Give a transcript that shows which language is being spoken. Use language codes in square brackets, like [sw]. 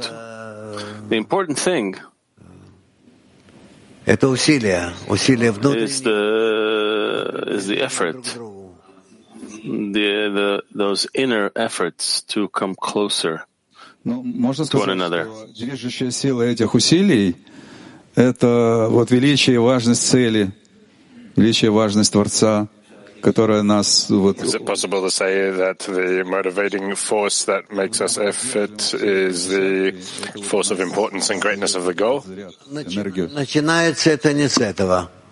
[en] The important thing is the effort, those inner efforts to come closer to one another. [ru] Движущая сила этих усилий — это вот величие и важность цели, величие и важность Творца. [en] Is it possible to say that the motivating force that makes us effort is the force of importance and greatness of the goal? [ru] Начинается это не с этого.